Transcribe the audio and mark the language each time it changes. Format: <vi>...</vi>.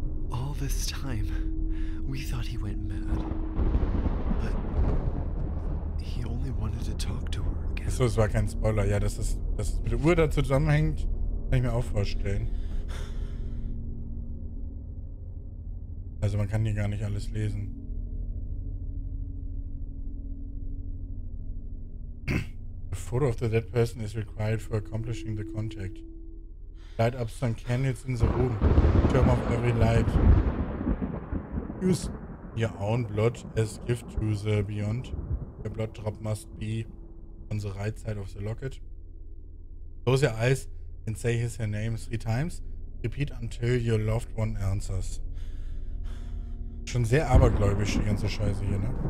<en>All this time, we thought he went mad. But he only wanted to talk to her again.</en> <de>Achso, es war kein Spoiler. Ja, dass es mit der Uhr da zusammenhängt, kann ich mir auch vorstellen. Also man kann hier gar nicht alles lesen.</de> <en>A photo of the dead person is required for accomplishing the contact. Light up some candles in the room. Turn off every light. Use your own blood as gift to the beyond. Your blood drop must be on the right side of the locket. Close your eyes and say his her name 3 times. Repeat until your loved one answers.</en> <de>Schon sehr abergläubisch, die ganze Scheiße hier, ne?</de>